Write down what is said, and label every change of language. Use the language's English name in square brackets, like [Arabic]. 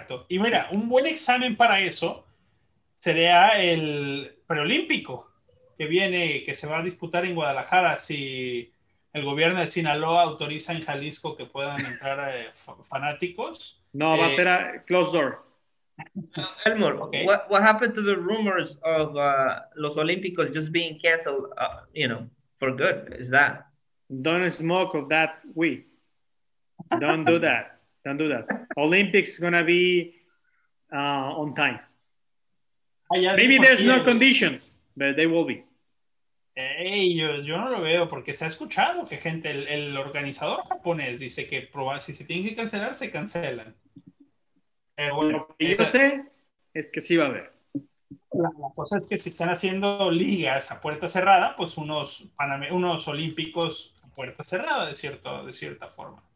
[Spanish] Y mira, un buen examen para eso sería el preolímpico que viene, que se va a disputar en Guadalajara, si el gobierno de Sinaloa autoriza en Jalisco que puedan entrar fanáticos. No, va a ser a closed door. [English] Elmer, okay. What happened to the rumors of los Olímpicos just being canceled, you know, for good? Is that? Don't smoke of that weed. Don't do that. Olympics gonna be on time. Maybe there's no conditions, but they will be. [Spanish] Hey, yo no lo veo, porque se ha escuchado que gente, el organizador japonés dice que si se tienen que cancelar, se cancelan. Bueno, yo sé es que sí va a haber. La cosa es que si están haciendo ligas a puerta cerrada, pues unos olímpicos a puerta cerrada, de cierta forma.